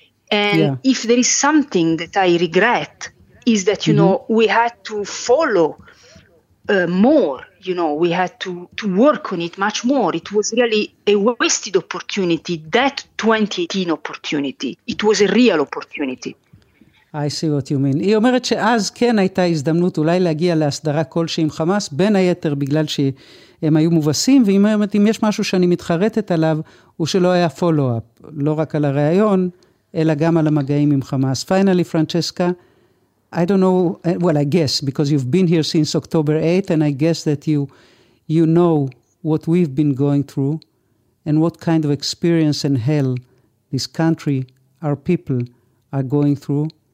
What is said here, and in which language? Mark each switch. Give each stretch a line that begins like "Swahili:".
English: And if there is something that I regret, is that, you know, we had to follow more. You know, we had to work on it much more. It was really a wasted opportunity, that 2018 opportunity. It was a real opportunity. I see what you mean.
Hebrew: היא אומרת שאז כן הייתה הזדמנות אולי להגיע להסדרה כלשהי עם חמאס, בין היתר בגלל שהם היו מובסים, והיא אומרת, אם יש משהו שאני מתחרטת עליו, הוא שלא היה פולו-אפ, לא רק על הרעיון, אלא גם על המגעים עם חמאס.
English: Finally, Francesca, I don't know, well, I guess, because you've been here since October 8th, and I guess that you know what we've been going through and what kind of experience and hell this country, our people, are going through.